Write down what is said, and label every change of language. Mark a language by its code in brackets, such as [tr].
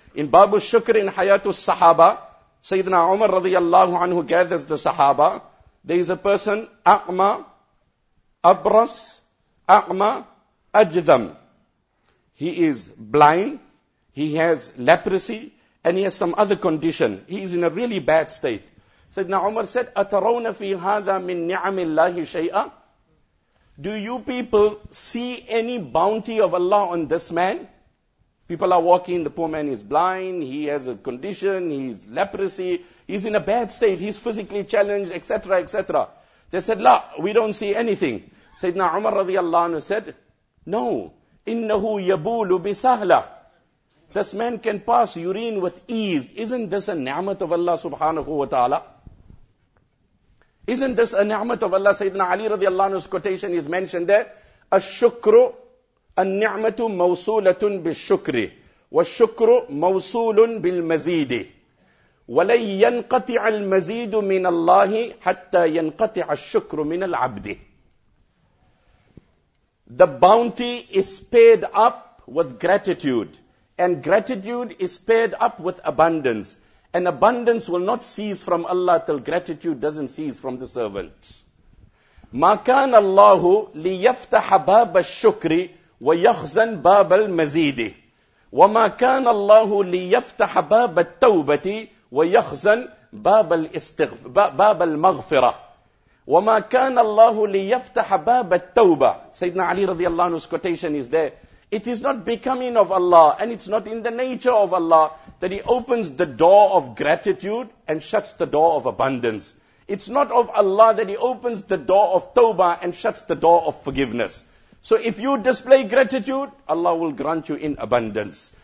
[en] In Babu Shukr in Hayatul Sahaba, Sayyidina Umar radiallahu anhu gathers the Sahaba. There is a person, A'ma, Abras, A'ma, Ajdam. He is blind, he has leprosy, and he has some other condition. He is in a really bad state. Sayyidina Umar said, [ar] أَتَرَوْنَ فِي هَذَا مِن نِعَمِ اللَّهِ شَيْئًا? [en] Do you people see any bounty of Allah on this man? People are walking, the poor man is blind, he has a condition, he is leprosy, he's in a bad state, he's physically challenged, etc., etc. They said, La, we don't see anything. Sayyidina Umar radiallahu anhu said, No, [ar] innahu yabulu bisahla. [en] This man can pass urine with ease. Isn't this a ni'mat of Allah subhanahu wa ta'ala? Isn't this a ni'mat of Allah? Sayyidina Ali radiallahu anhu's quotation is mentioned there. [ar] Ash-shukru an-ni'matu mawsulatun bil-shukri. Wa-shukru mawsulun bil-mazidi. وَلَيْ يَنْقَطِعَ الْمَزِيدُ مِنَ اللَّهِ حَتَّى يَنْقَطِعَ الشُّكْرُ مِنَ الْعَبْدِ. [en] The bounty is paid up with gratitude. And gratitude is paid up with abundance. And abundance will not cease from Allah till gratitude doesn't cease from the servant. [ar] ما كان الله ليفتح باب الشكر ويخزن باب المزيد وما كان الله ليفتح باب التوبة ويخزن باب باب المغفرة وما كان الله ليفتح باب التوبة. [en] سيدنا علي رضي الله عنه's quotation is there. It is not becoming of Allah and it's not in the nature of Allah that He opens the door of gratitude and shuts the door of abundance. It's not of Allah that He opens the door of tawbah and shuts the door of forgiveness. So if you display gratitude, Allah will grant you in abundance.